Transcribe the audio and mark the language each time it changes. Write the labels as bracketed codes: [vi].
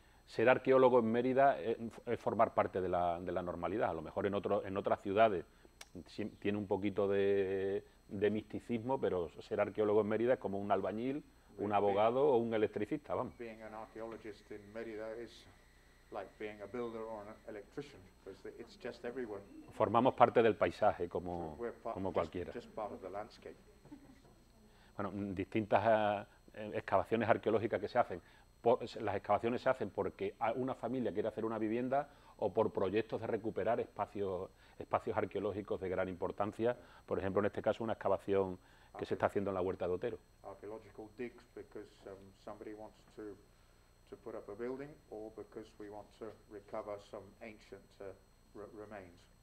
[es] Ser arqueólogo en Mérida es formar parte de la normalidad. A lo mejor en otras ciudades tiene un poquito de misticismo, pero ser arqueólogo en Mérida es como un albañil, un abogado o un electricista, vamos. [en] Being an archaeologist in Mérida is like being a builder or an electrician, because it's just everywhere. [es] Formamos parte del paisaje como cualquiera. [en] Just part of the landscape. [es] Bueno, distintas excavaciones arqueológicas que se hacen. Las excavaciones se hacen porque una familia quiere hacer una vivienda o por proyectos de recuperar espacios arqueológicos de gran importancia. Por ejemplo, en este caso, una excavación que se está haciendo en la Huerta de Otero. [en] Archaeological digs because somebody wants to put up a building or because we want to recover some ancient remains.